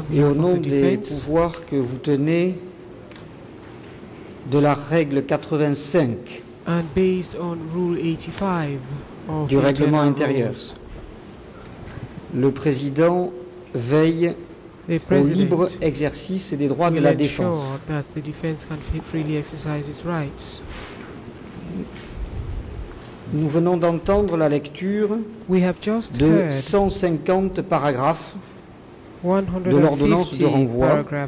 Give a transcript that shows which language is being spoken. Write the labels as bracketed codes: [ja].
[fr] behalf et au nom des pouvoirs que vous tenez de la règle 85, [en] and based on rule 85 of [fr] du règlement intérieur. Le président veille au libre exercice des droits de la défense. [en] That the defense can freely exercise its rights. [fr] Nous venons d'entendre la lecture de 150 paragraphes de l'ordonnance de renvoi.